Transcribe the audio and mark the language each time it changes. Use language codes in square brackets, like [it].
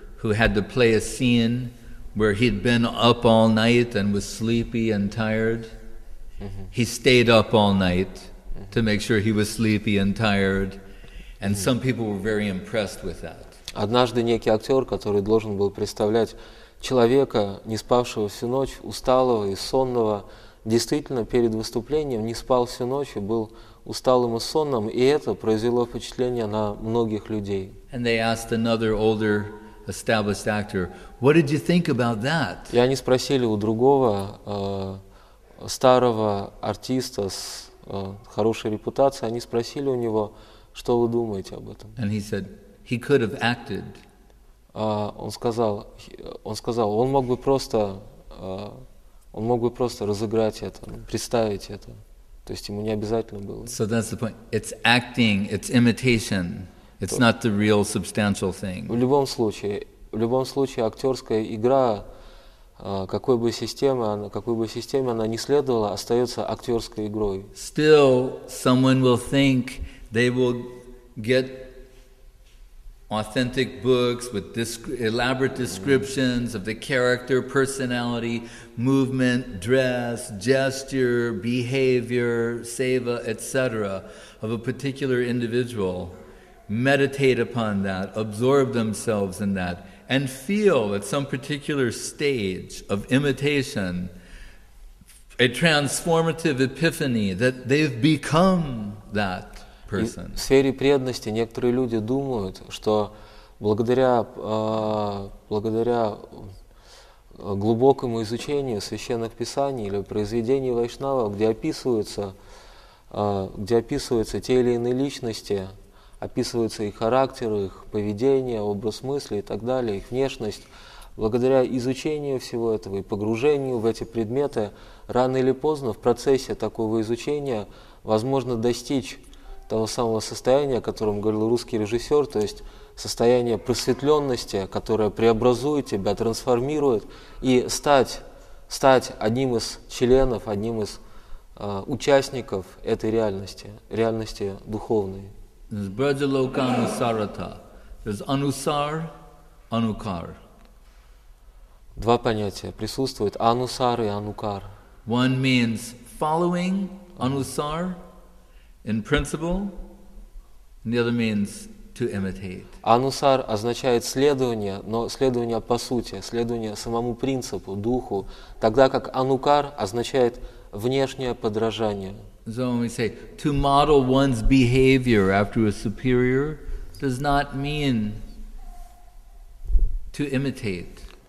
[en] who had to play a scene where he'd been up all night and was sleepy and tired. Mm-hmm. He stayed up all night to make sure he was sleepy and tired. And some people were very impressed with that. [ru] Однажды некий актер, который должен был представлять человека, не спавшего всю ночь, усталого и сонного, действительно перед выступлением не спал всю ночь и был усталым и сонным, и это произвело впечатление на многих людей. [en] And they asked another older established actor, "What did you think about that?" [ru] И они спросили у другого старого артиста с хорошей репутацией, они спросили у него, что вы думаете об этом. [en] And he said, he could have acted. [ru] Он сказал, он мог бы просто разыграть это, представить это. То есть ему не обязательно было. [en] So that's the point. It's acting, it's imitation. It's not the real substantial thing. [ru] В любом случае, актерская игра, какой бы системе она ни следовала, остается актерской игрой. [en] Still, someone will think they will get authentic books with elaborate descriptions of the character, personality, movement, dress, gesture, behavior, seva, etc. of a particular individual, meditate upon that, absorb themselves in that, and feel at some particular stage of imitation a transformative epiphany that they've become that. [ru] И в сфере преданности некоторые люди думают, что благодаря глубокому изучению священных писаний или произведений вайшнава, где описываются те или иные личности, описывается их характер, их поведение, образ мысли и так далее, их внешность, благодаря изучению всего этого и погружению в эти предметы, рано или поздно в процессе такого изучения возможно достичь того самого состояния, о котором говорил русский режиссер, то есть состояние просветленности, которое преобразует тебя, трансформирует, и стать одним из членов, одним из участников этой реальности, реальности духовной. [en] There's Braja Loka Anusarata. There's Anusar, Anukar. [ru] Два понятия присутствуют, Анусар и Анукар. [en] One means following Anusar, in principle, and the other means to imitate. [ru] Анусар означает следование, но следование по сути, следование самому принципу, духу, тогда как анукар означает внешнее подражание. [en] So when we say to model one's behavior after a superior does not mean to imitate.